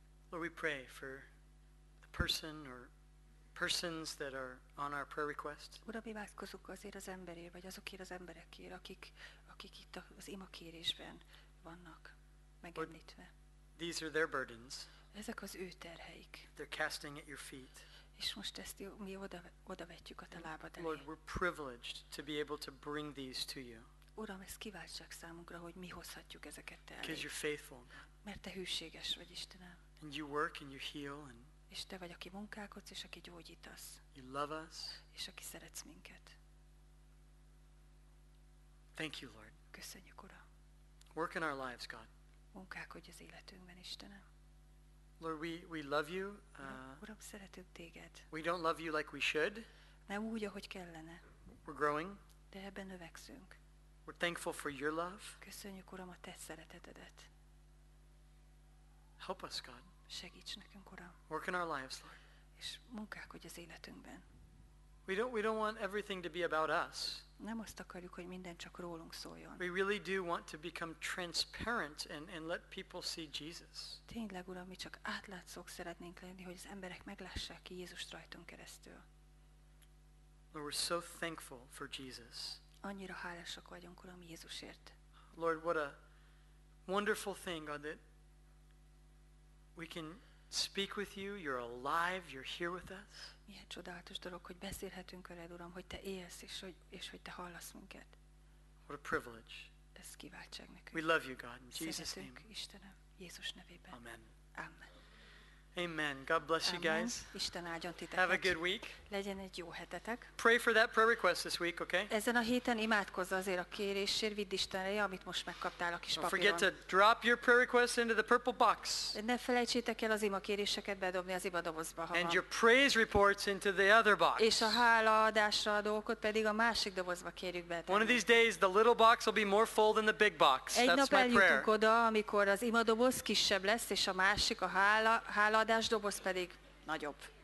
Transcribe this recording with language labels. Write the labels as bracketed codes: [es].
[en] Lord, we pray for the person or persons that are on our prayer request. [hu] Uram, mi vágyakozunk azért az emberért, vagy azokért az emberekért, akik itt az imakérésben vannak megemlítve. [en] These are their burdens. [hu] Ezek az ő terheik. [en] They're casting at your feet. [hu] És most ezt mi oda vetjük a te lábad elé. [en] Lord, we're privileged to be able to bring these to you. [hu] Uram, ez kiváltság számunkra, hogy mi hozhatjuk ezeket te elé. [en] Because you're faithful. [hu] Mert te hűséges vagy, Istenem. [en] And you work and you heal and [hu] és te vagy, aki munkálkodsz, és aki gyógyítasz. [en] You love us. [hu] És aki szeretsz minket. [en] Thank you, Lord. [hu] Köszönjük, Uram. [en] Work in our lives, God. [hu] Munkálkodj az életünkben, Istenem. [en] Lord, we love you. [hu] Uram, szeretünk téged. [en] We don't love you like we should. [hu] Nem úgy, ahogy kellene. [en] We're growing. [hu] De ebben növekszünk. [en] We're thankful for your love. [hu] Köszönjük, Uram, a te szeretetedet. [en] Help us, God. [hu] Segíts nekünk, Uram. [en] Work in our lives, Lord. [hu] És munkálkodj az életünkben. [en] We don't want everything to be about us. [hu] Nem azt akarjuk, hogy minden csak rólunk szóljon. [en] We really do want to become transparent and let people see Jesus. [hu] Tényleg, Uram, mi csak átlátszók szeretnénk lenni, hogy az emberek meglássák ki Jézust rajtunk keresztül. [en] Lord, we're so thankful for Jesus. [hu] Annyira hálásak vagyunk, Uram, Jézusért. [en] Lord, what a wonderful thing, God, that we can speak with you, you're alive, you're here with us. [hu] Milyen csodálatos dolog, hogy beszélhetünk veled, Uram, hogy te élsz, és hogy te hallasz minket. [en] What a privilege. [hu] Ez kiváltság nekünk. [en] We love you, God, in Jesus' name. [hu] Szeretünk, Istenem, Jézus nevében. [en] Amen. [hu] Amen. [en] Amen. God bless [hu] Amen. [en] You guys. [hu] Isten áldjon titeket. [en] Have a good week. [hu] Legyen egy jó hetetek. [en] Pray for that prayer request this week, okay? [hu] Ezen a héten imádkozz azért a kérésért, vidd Istenre, amit most megkaptál a kis papíron. [en] Don't forget to drop your prayer request into the purple box. [hu] Ne felejtsétek el az ima kéréseket bedobni az ima dobozba. [en] And your praise reports into the other box. [hu] És a hálaadásra adókot pedig a másik dobozba kérjük be. [en] One of these days the little box will be more full than the big box. [hu] Egy [en] That's [hu] nap [en] my [hu] eljutunk [en] prayer. [hu] Oda, amikor az ima doboz kisebb lesz, és a másik a hála adás doboz pedig nagyobb.